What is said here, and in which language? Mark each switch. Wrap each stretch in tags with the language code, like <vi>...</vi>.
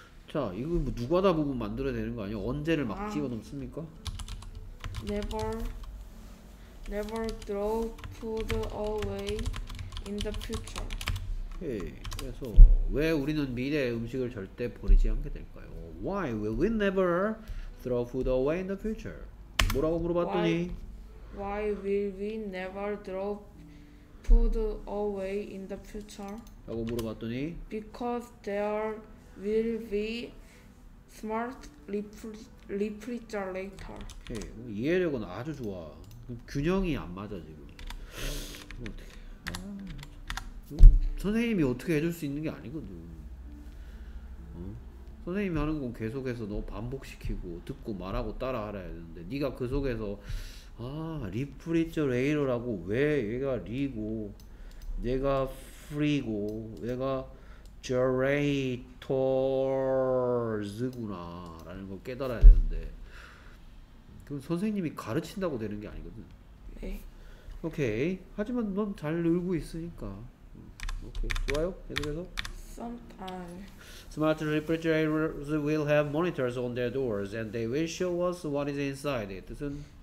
<ko>자, 이거 뭐 누가 다 부분 만들어야 되는 거 아니야? 언제를 막 집어넣습니까?</ko> <en>Never throw food away in the future.</en> <ko>오케이. 그래서 왜 우리는 미래의 음식을 절대 버리지 않게 될까요?</ko> <en>Why will we never throw food away in the future?</en> <ko>뭐라고 물어봤더니</ko> <en>Why will we never throw food away in the future?</en> <ko>라고 물어봤더니</ko> <en>Because there will be smart refrigerator.</en> <ko>오케이. 이해력은 아주 좋아. 균형이 안 맞아 지금. 선생님이 어떻게 해줄 수 있는 게 아니거든. 선생님이 하는 건 계속해서 너 반복시키고 듣고 말하고 따라하라 해야 되는데 네가 그 속에서 아 리프리저레이러라고 왜 얘가 리고 얘가 프리고 얘가 저레이터즈구나 라는 걸 깨달아야 되는데 그럼 선생님이 가르친다고 되는 게 아니거든. 네. 오케이. 하지만 넌 잘 놀고 있으니까 오케이. 좋아요. 계속해서</ko> <en>Sometimes Smart refrigerators will have monitors on their doors and they will show us what is inside it.</en> <ko>뜻은</ko>